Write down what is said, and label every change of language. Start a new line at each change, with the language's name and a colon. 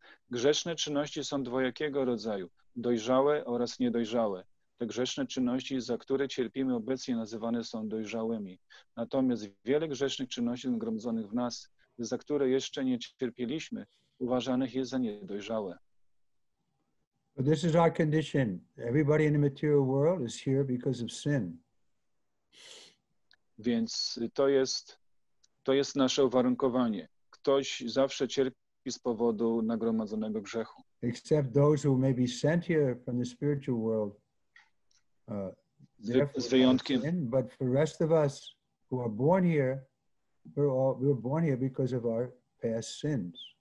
Polish: Grzeszne czynności są dwojakiego rodzaju, dojrzałe oraz niedojrzałe. Te grzeszne czynności, za które cierpimy obecnie, nazywane są dojrzałymi. Natomiast wiele grzesznych czynności zgromadzonych w nas, za które jeszcze nie cierpieliśmy, uważanych jest za niedojrzałe.
English: This is our condition. Everybody in the material world is here because of sin.
Polish: Więc to jest nasze uwarunkowanie. Ktoś zawsze cierpi i z powodu nagromadzonego grzechu.
English: Except those who may be sent here from the spiritual world.
Polish: Z wyjątkiem.
English: But for the rest of us who are born here, we're born here because of our past sins.